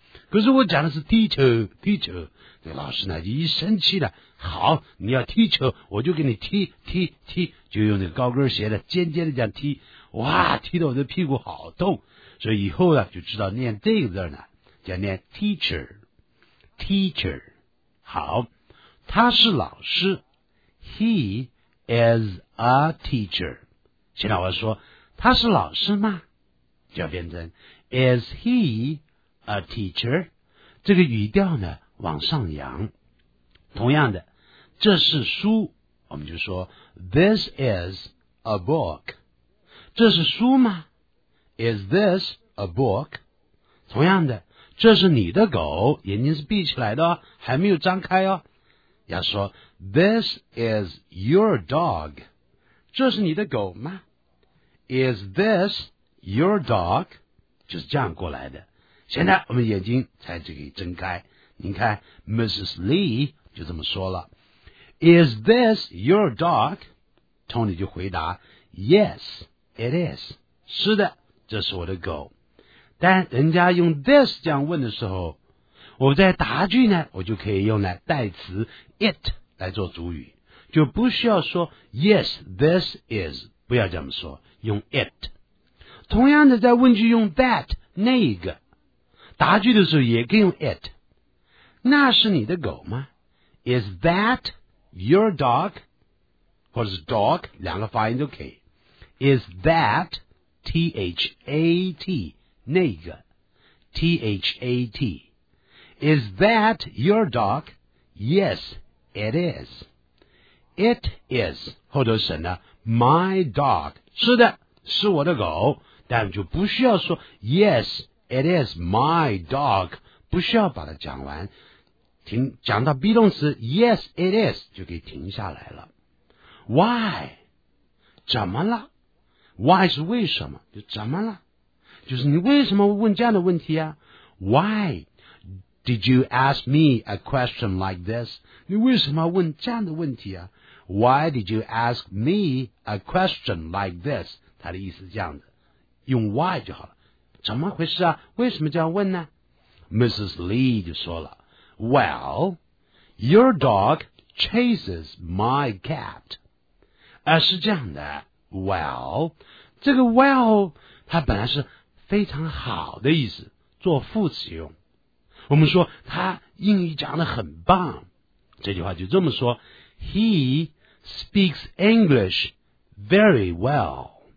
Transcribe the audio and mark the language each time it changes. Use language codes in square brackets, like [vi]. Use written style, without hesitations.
[zh] 可是我讲的是 teacher， 这个老师呢一生气了，好，你要 teacher 我就给你踢，就用那个高跟鞋的尖尖的这样踢，哇，踢得我的屁股好痛，所以以后呢就知道念这个字呢叫念 teacher。好，他是老师 ， [en] He is a teacher。 [zh] 现在我要说他是老师吗？就要变成 [en] Is he a teacher？ [zh] 这个语调呢往上扬。同样的，这是书，我们就说 [en] This is a book。 [zh] 这是书吗 ？ [en] Is this a book？ [zh] 同样的，这是你的狗，眼睛是闭起来的哦，还没有张开哦。要说 [en] This is your dog， [zh] 这是你的狗吗？ [en] Is this your dog？ [zh] 就是这样过来的。现在我们眼睛才这个睁开，您看 Mrs. [en] Lee [zh] 就这么说了， [en] Is this your dog？ [zh] Tony 就回答 [en] Yes it is， [zh] 是的，这是我的狗。但人家用 this 这样问的时候，我在答句呢我就可以用来代词 it 来做主语，就不需要说 [en] yes this is， [zh] 不要这么说，用 it。同样的，在问句用 that 那个，答句的时候也可以用 it。那是你的狗吗？ [en] Is that your dog？ [zh] 或者是 dog， 两个发音都可以。 [en] Is that THAT 那个 THAT。 Is that your dog? Yes, it is. It is, [zh] 后头省了 [en] my dog. [zh] 是的，是我的狗，但就不需要说 [en] Yes, it is my dog. [zh] 不需要把它讲完，停，讲到 be 动词 [en] Yes, it is [zh] 就可以停下来了。 Why? 怎么了？Why 是为什么？就怎么了？就是你为什么问这样的问题啊？ [en] Why? Did you ask me a question like this? [zh] 你为什么问这样的问题啊？ [en] Why did you ask me a question like this? [zh] 他的意思是这样的，用 why 就好了。怎么回事啊？为什么这样问呢？Mrs. [en] Lee [zh] 就说了， [en] Well, your dog chases my cat. [zh] 是这样的， Well, 这个 well 它本来是非常好的意思，做副词用。我们说他英语讲得很棒，这句话就这么说， [en] He speaks English very well.